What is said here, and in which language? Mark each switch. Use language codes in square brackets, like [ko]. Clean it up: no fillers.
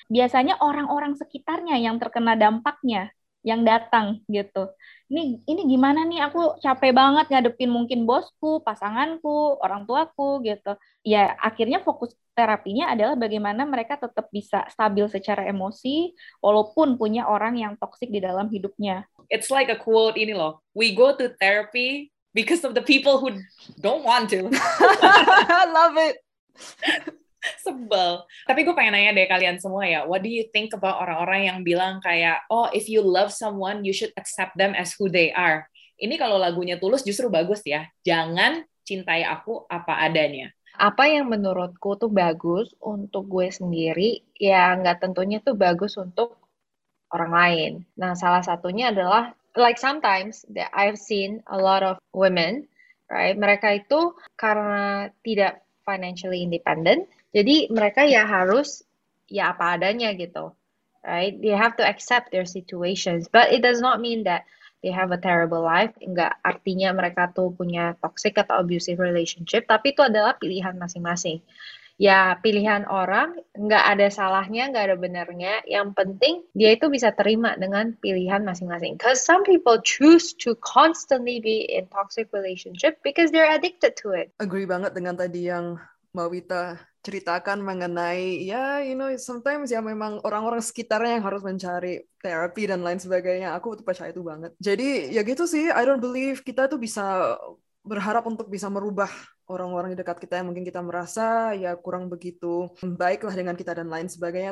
[id] Biasanya orang-orang sekitarnya yang terkena dampaknya, yang datang gitu. Ini gimana nih, aku capek banget ngadepin mungkin bosku, pasanganku, orang tuaku gitu. Ya akhirnya fokus terapinya adalah bagaimana mereka tetap bisa stabil secara emosi walaupun punya orang yang toksik di dalam hidupnya. [en] It's like a quote ini loh, we go to therapy because of the people who don't want to. Love it. [id] Sebel. Tapi gue pengen nanya deh kalian semua ya, [en] what do you think about orang-orang yang bilang kayak, oh, if you love someone, you should accept them as who they are. [id] Ini kalau lagunya Tulus justru bagus ya. Jangan cintai aku apa adanya. Apa yang menurutku tuh bagus untuk gue sendiri, ya nggak tentunya tuh bagus untuk orang lain. Nah, salah satunya adalah, [en] like sometimes that I've seen a lot of women, right? [id] Mereka itu karena tidak [en] financially independent, [id] jadi mereka ya harus ya apa adanya gitu, right? [en] They have to accept their situations, but it does not mean that they have a terrible life. [id] Enggak artinya mereka tuh punya toxic atau abusive relationship, tapi itu adalah pilihan masing-masing. Ya pilihan orang, nggak ada salahnya, nggak ada benernya. Yang penting dia itu bisa terima dengan pilihan masing-masing. [en] Because some people choose to constantly be in toxic relationship because they're addicted to it. [id] Agree banget dengan tadi yang Mawita ceritakan mengenai ya yeah, [en] you know sometimes [id] ya memang orang-orang sekitarnya yang harus mencari terapi dan lain sebagainya. Aku tuh percaya itu banget. Jadi ya gitu sih. [en] I don't believe [id] kita tuh bisa berharap untuk bisa merubah orang-orang di dekat kita yang mungkin kita merasa ya kurang begitu baiklah dengan kita dan lain sebagainya.